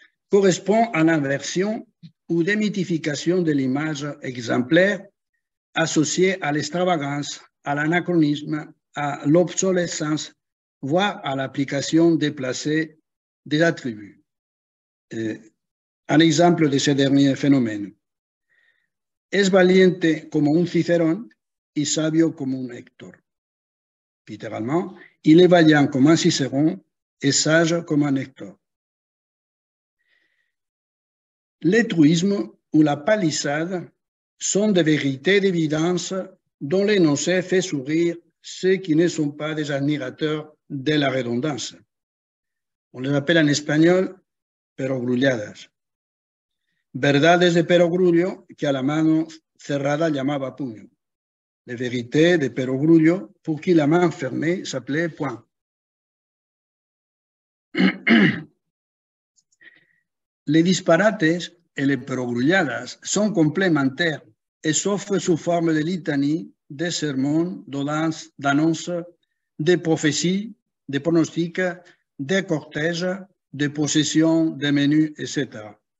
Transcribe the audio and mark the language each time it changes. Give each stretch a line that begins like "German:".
French: correspond à l'inversion ou démythification de l'image exemplaire associée à l'extravagance, à l'anachronisme, à l'obsolescence, voire à l'application déplacée des attributs. Un exemple de ce dernier phénomène.
Spanish: Es valiente como un Cicerón y sabio como un Héctor.
French: Littéralement, il est vaillant comme un Cicéron et sage comme un Hector. L'étruisme ou la palissade sont des vérités d'évidence dont l'énoncé fait sourire ceux qui ne sont pas des admirateurs de la redondance. On les appelle en espagnol perogrulladas.
Spanish: Verdades de perogrullo que a la mano cerrada llamaba puño.
French: Les vérités de perogrullo pour qui la main fermée s'appelait poing. Les disparates et les perogrulladas sont complémentaires et s'offrent sous forme de litanie, de sermons, d'annonces, de prophéties, de pronostics, de cortèges, de possessions, de menus, etc.